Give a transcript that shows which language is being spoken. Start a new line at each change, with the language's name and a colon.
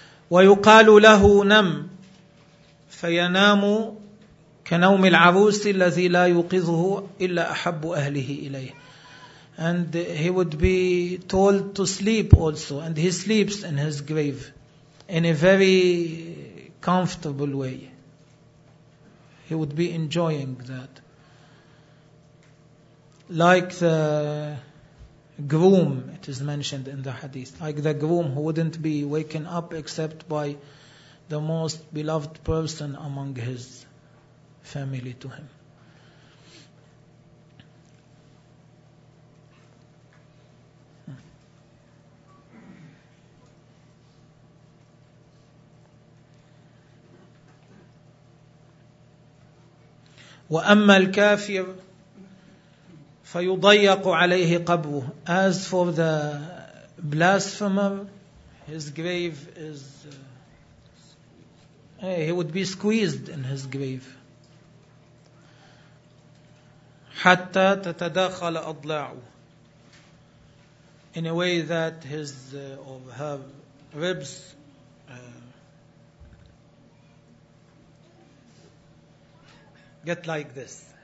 Arabic: ويقال له نم فينام كنوم العروس الذي لا يوقظه إلا أحب أهله إليه.
English: And he would be told to sleep also, and he sleeps in his grave in a very comfortable way. He would be enjoying that. Like the groom, it is mentioned in the hadith, like the groom who wouldn't be waken up except by the most beloved person among his family to him.
Arabic: وأما الكافر فيضيق عليه قبره.
English: As for the blasphemer, his grave is he would be squeezed in his grave
Arabic: حتى تتداخل أضلاعه,
English: in a way that his or her ribs get like this.